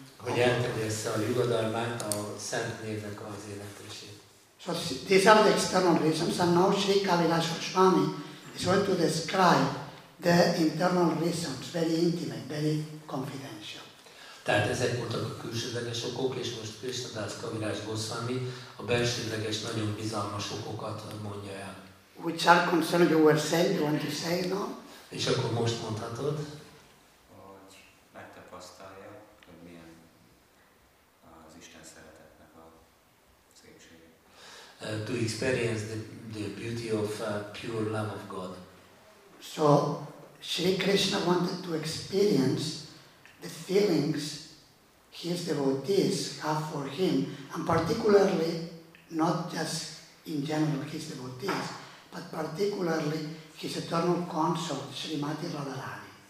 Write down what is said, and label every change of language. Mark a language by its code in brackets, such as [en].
[hu] Hogy elterjessze a Yoga Dharmát, a szent névnek az életését. [en] So these are the external reasons, and now Sri Kavilas Swami is going to describe the internal reasons, very intimate, very confidential. [hu] Tehát ezek voltak a külsődleges okok, és most Krishna Das Kavilas Goswami a belsődleges, nagyon bizalmas okokat mondja el. [en] Which are concerned, you were saying, you want to say, no? [hu] És akkor most mondhatod? Hogy megtapasztalja, hogy milyen az Isten szeretetnek a szépsége. [en] To experience the beauty of pure love of God. So, Sri Krishna wanted to experience the feelings his devotees have for him, and particularly, not just in general his devotees, but particularly his eternal consort, Srimati Radharani.